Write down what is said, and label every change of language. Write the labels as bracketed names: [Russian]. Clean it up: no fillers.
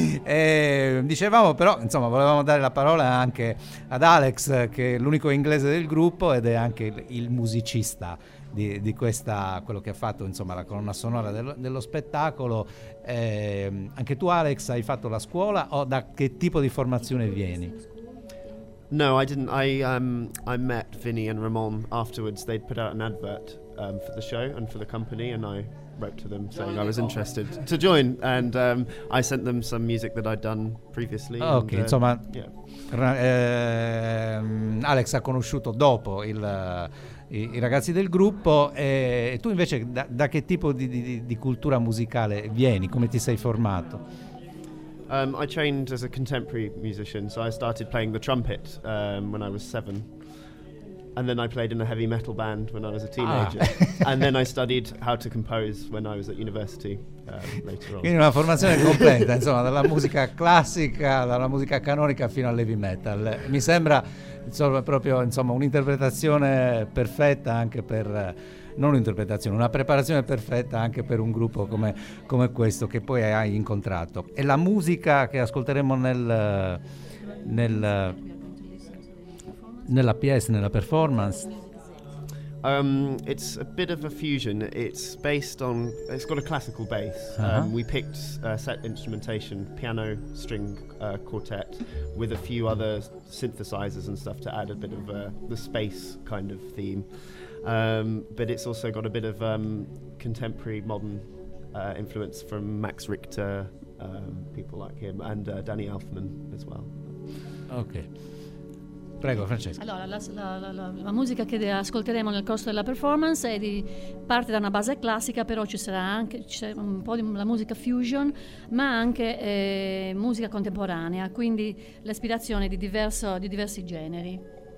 [Italian] E, dicevamo però, insomma, volevamo dare la parola anche ad Alex, che è l'unico inglese del gruppo ed è anche il musicista di questa, quello che ha fatto, insomma, la colonna sonora dello spettacolo. Anche tu, Alex, hai fatto la scuola o da che tipo di formazione vieni? [English] No, I didn't. I met Vinny and Ramon afterwards. They'd put out an advert for the show and for the company, and I wrote to them saying I was interested to join, and I sent them some music that I'd done previously. Ok, and, [Italian] insomma, yeah. Alex ha conosciuto dopo i ragazzi del gruppo, e tu invece da che tipo di cultura musicale vieni? Come ti sei formato? [English] I trained as a contemporary musician, so I started playing the trumpet when I was 7. And then I played in a heavy metal band when I was a teenager. Ah. And then I studied how to compose when I was at university later on. [Italian] Quindi una formazione completa, insomma, dalla musica classica, dalla musica canonica fino al heavy metal. Mi sembra, insomma, proprio, insomma, un'interpretazione perfetta anche per... non un'interpretazione, una preparazione perfetta anche per un gruppo come questo che poi hai incontrato. E la musica che ascolteremo nella pièce, nella performance? [English] It's a bit of a fusion. It's based on... it's got a classical base. Uh-huh. We picked set instrumentation, piano, string, quartet, with a few other synthesizers and stuff to add a bit of the space kind of theme. But it's also got a bit of contemporary modern influence from Max Richter, people like him, and Danny Elfman as well. [Italian] Okay. Prego, Francesca. Allora, la musica che ascolteremo nel corso della performance parte da una base classica, però ci sarà anche un po' di la musica fusion, ma anche musica contemporanea, quindi l'ispirazione di diversi generi.